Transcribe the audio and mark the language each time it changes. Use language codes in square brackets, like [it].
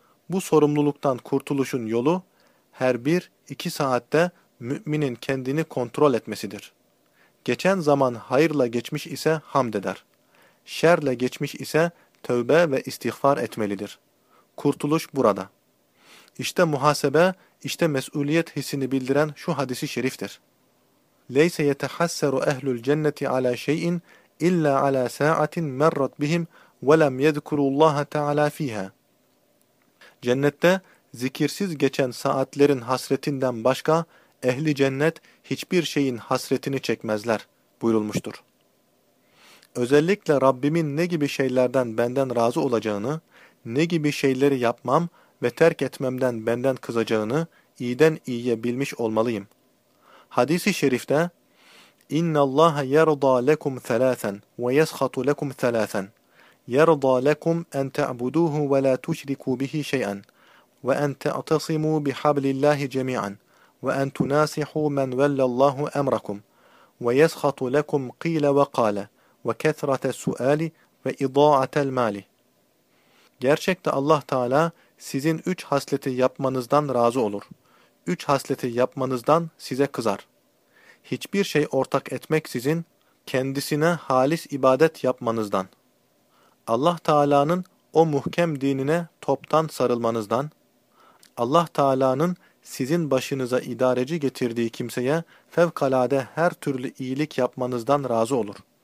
[tr] Bu sorumluluktan kurtuluşun yolu her bir iki saatte müminin kendini kontrol etmesidir. Geçen zaman hayırla geçmiş ise hamd eder. Şerle geçmiş ise tövbe ve istiğfar etmelidir. Kurtuluş burada. İşte muhasebe, işte mesuliyet hissini bildiren şu hadisi şeriftir. [ar] لَيْسَ يَتَحَسَّرُ اَهْلُ الْجَنَّةِ عَلَى شَيْءٍ اِلَّا عَلَى سَاعَةٍ مَرَّتْ بِهِمْ وَلَمْ يَذْكُرُوا اللّٰهَ تَعَلَى ف۪يهَا [tr] Cennette zikirsiz geçen saatlerin hasretinden başka ehli cennet hiçbir şeyin hasretini çekmezler buyurulmuştur. Özellikle Rabbimin ne gibi şeylerden benden razı olacağını, ne gibi şeyleri yapmam ve terk etmemden benden kızacağını iyiden iyiye bilmiş olmalıyım. Hadis-i şerifte [ar] اِنَّ اللّٰهَ يَرْضَى لَكُمْ ثَلَاثًا وَيَسْخَطُ لَكُمْ ثَلَاثًا يَرْضَى لَكُمْ اَنْ تَعْبُدُوهُ وَلَا تُشْرِكُوا بِهِ شَيْئًا وَاَنْ تَعْتَصِمُوا بِحَبْلِ اللّٰهِ جَمِيعًا وَاَنْ تُنَاسِحُوا مَنْ وَلَّ اللّٰهُ اَمْرَكُمْ وَيَسْخَطُ لَكُمْ قِيلَ وَقَالَ وَكَثْرَةَ السُّؤَالِ وَاِضَاعَةَ الْمَالِ [tr] Gerçekte Allah Teala sizin üç hasleti yapmanızdan razı olur. Üç hasleti yapmanızdan size kızar. Hiçbir şey ortak etmeksizin kendisine halis ibadet yapmanızdan. Allah Teala'nın o muhkem dinine toptan sarılmanızdan, Allah Teala'nın sizin başınıza idareci getirdiği kimseye fevkalade her türlü iyilik yapmanızdan razı olur.